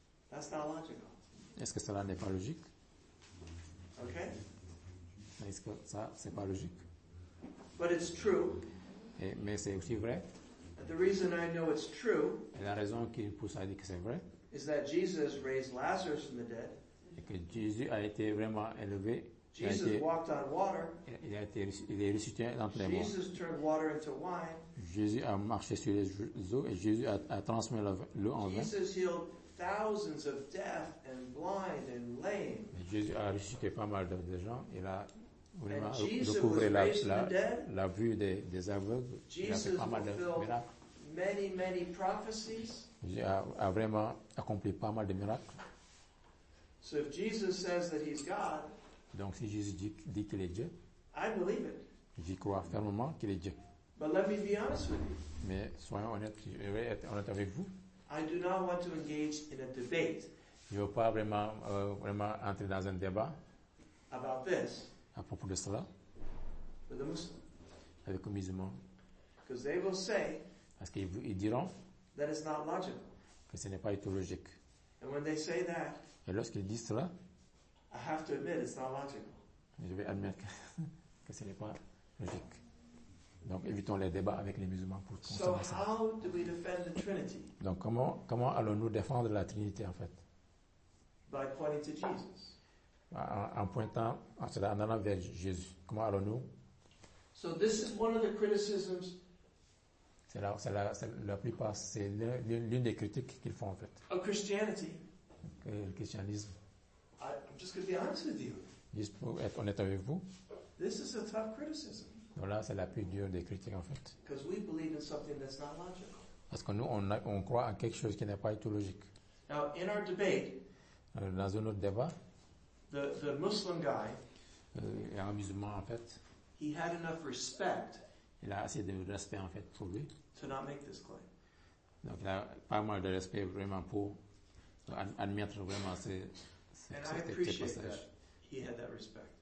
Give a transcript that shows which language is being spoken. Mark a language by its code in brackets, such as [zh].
[en] That's not logical. [fr] Est-ce que cela n'est pas logique? [en] Okay. [fr] Est-ce que ça, c'est pas logique? [en] But it's true. [fr] Et, mais c'est aussi vrai. [en] The reason I know it's true. [fr] Et la raison qui me pousse à dire que c'est vrai. [en] Is that Jesus raised Lazarus from the dead? [fr] Et que Jésus a été vraiment élevé. [en] Jesus walked on water. [fr] Il est ressuscité d'entre les morts. [en] Jesus turned water into wine. [fr] Jésus a marché sur les eaux et Jésus a transformé l'eau en vin. [en] Jesus healed thousands of deaf and blind and lame. [fr] Et Jésus a ressuscité pas mal de gens. Il a vraiment recouvré la vue des aveugles. [en] Jesus [fr] il a fait pas [en] fulfilled [fr] mal de miracles. [en] Many, many prophecies. [fr] Jésus a vraiment accompli pas mal de miracles. [en] So if Jesus says that he's God, [fr] donc si Jésus dit qu'il est Dieu, [en] I believe it. [fr] J'y crois fermement qu'il est Dieu. [en] But let me be honest with you. [fr] Mais soyons honnêtes, je vais être honnête avec vous. [en] I do not want to engage in a debate. [fr] Je ne veux pas vraiment entrer dans un débat [en] about this. [fr] À propos de cela. [en] With the Muslim. [fr] Avec les musulmans. [en] Because they will say. [fr] Parce qu'ils diront. [en] That is not logical. [fr] Que ce n'est pas du tout logique. [en] And when they say that. [fr] Et lorsqu'ils disent cela. [en] I have to admit it's not logical. [fr] Je vais admettre que ce n'est pas logique. Donc évitons les débats avec les musulmans pour [en] so how do we defend the Trinity? [fr] Donc comment allons-nous défendre la Trinité en fait? [en] By pointing to Jesus. [fr] En pointant, en allant vers Jésus. Comment allons-nous? [en] So this is one of the criticisms. [fr] C'est la plupart, c'est l'une des critiques qu'ils font en fait. [en] Of Christianity. [fr] Le christianisme. [en] I'm just going to be honest with you. [fr] Juste pour être honnête avec vous. [en] This is a tough criticism. [fr] Donc là, c'est la plus dure des critiques, en fait. [en] Because we believe in something that's not logical. [fr] Parce que nous, on croit en quelque chose qui n'est pas tout logique. [en] Now, in our debate, [fr] dans un autre débat, [en] the Muslim guy, [fr] un musulman, en fait, [en] he had enough respect, [fr] il a assez de respect, en fait, pour lui, [en] to not make this claim. [fr] Donc, il a pas mal de respect, vraiment, pour admettre vraiment ces [en] And I appreciate that he had that respect.